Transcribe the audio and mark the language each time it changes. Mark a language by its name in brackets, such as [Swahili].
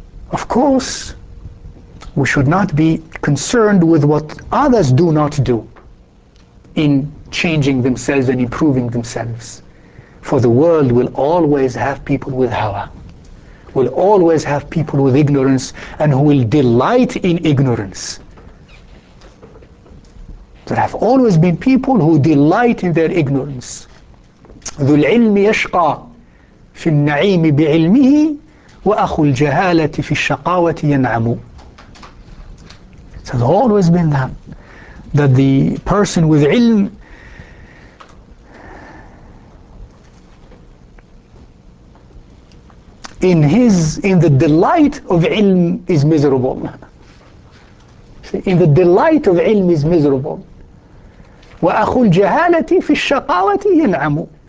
[English] Of course, we should not be concerned with what others do not do in changing themselves and improving themselves. For the world will always have people with hawa, will always have people with ignorance, and who will delight in ignorance. There have always been people who delight in their ignorance. [Arabic] ذو العلم يشقى في النعيم بعلمه وأخو الجهالة في الشقاوة ينعم. [English] So it's always been that the person with ilm in the delight of ilm is miserable. See, in the delight of ilm is miserable. [Arabic] وأخو الجهالة في الشقاوة ينعم.